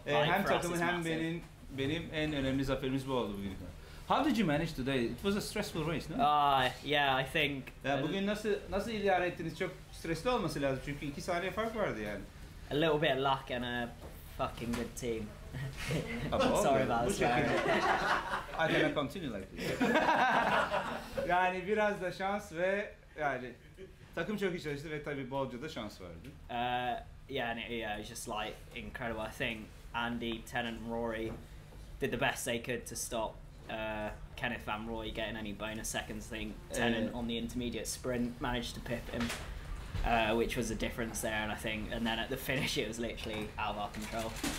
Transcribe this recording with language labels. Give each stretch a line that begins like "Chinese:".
Turkish: Hem takımın hem benim en önemli zaferimiz bu oldu bugüne kadar.
English: How did you manage today? It was a stressful race, no? I think.
Turkish: Yeah, bugün nasıl idare ettiniz? Çok stresli olması lazım çünkü 2 saniye fark vardı yani.
English: A little bit of luck and a fucking good team. Sorry about that. I cannot continue like this.
Turkish: Yani biraz da şans ve yani takım çok iyi çalıştı ve tabii bolca da şans vardı.
English: It was just like incredible. I think Andy, Tennant, Rory did the best they could to stop Kenneth and Rooy getting any bonus seconds. I think Tennant on the intermediate sprint managed to pip him, which was a difference there. And I think, and then at the finish, it was literally out of our control.